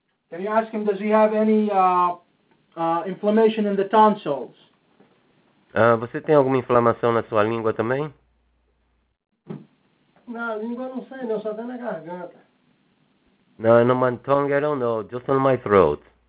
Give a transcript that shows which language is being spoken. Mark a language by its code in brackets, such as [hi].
[en] Can you ask him, does he have any inflammation in the tonsils? [pt] Você tem alguma inflamação na sua língua também? Na língua não sei, só tem na garganta. [en] No, in my tongue, I don't know, just on my throat.